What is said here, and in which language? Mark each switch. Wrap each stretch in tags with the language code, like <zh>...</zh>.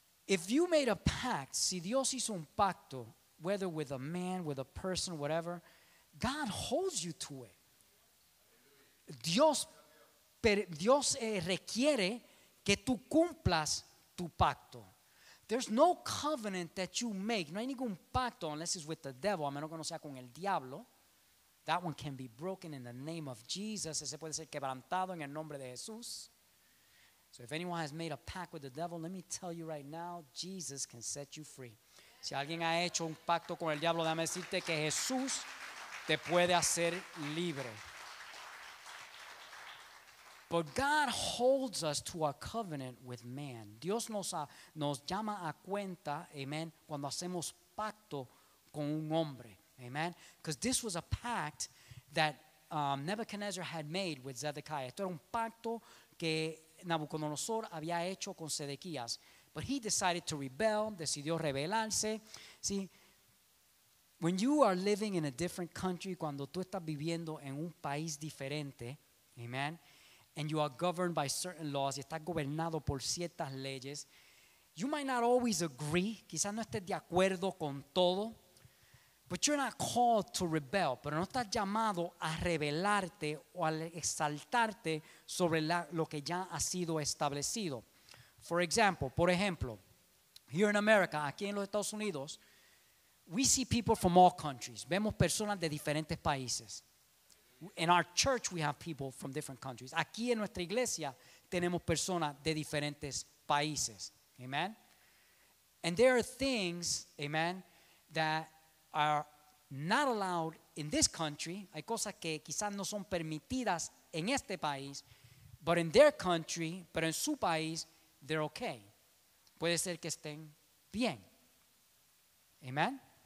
<en>If you made a pact,</en> <es>si Dios hizo un pacto,</es> <en>whether with a man, with a person, whatever, God holds you to it.</en> <es>Dios requiere que tú cumplas tu pacto.</es> <en>There's no covenant that you make.</en> <es>No hay ningún pacto,</es> <en>unless it's with the devil,</en> <es>a menos que no sea con el diablo.</es> <en>That one can be broken in the name of Jesus.</en> <es>Ese puede ser quebrantado en el nombre de Jesús.</es> <en>So if anyone has made a pact with the devil, let me tell you right now, Jesus can set you free.</en> <es>Si alguien ha hecho un pacto con el diablo, déjame decirte que Jesús te puede hacer libre.</es> <en>But God holds us to a covenant with man.</en> <es>Dios nos llama a cuenta, amen, cuando hacemos pacto con un hombre, amen.</es> <en>Because this was a pact that Nebuchadnezzar had made with Zedekiah.</en> <es>Esto era un pacto que Nabucodonosor había hecho con Sedequías.</es> <en>But he decided to rebel,</en> <es>decidió rebelarse.</es> <en>See, when you are living in a different country,</en> <es>cuando tú estás viviendo en un país diferente, amen,</es> <en>and you are governed by certain laws,</en> <es>y estás gobernado por ciertas leyes,</es> <en>you might not always agree,</en> <es>quizás no estés de acuerdo con todo,</es> <en>but you're not called to rebel,</en> <es>pero no estás llamado a rebelarte o a exaltarte sobre lo que ya ha sido establecido. Por ejemplo,</es> <en>here in America,</en> <es>aquí en los Estados Unidos,</es> <en>we see people from all countries.</en> <es>Vemos personas de diferentes países.</es> <en>In our church, we have people from different countries.</en> <es>Aquí en nuestra iglesia, tenemos personas de diferentes países. Amen?</es> <en>And there are things, amen, that are not allowed in this country.</en> <es>Hay cosas que quizás no son permitidas en este país,</es> <en>but in their country,</en> <es>pero en su país, they're okay. Puede ser que estén bien. Amen?</es>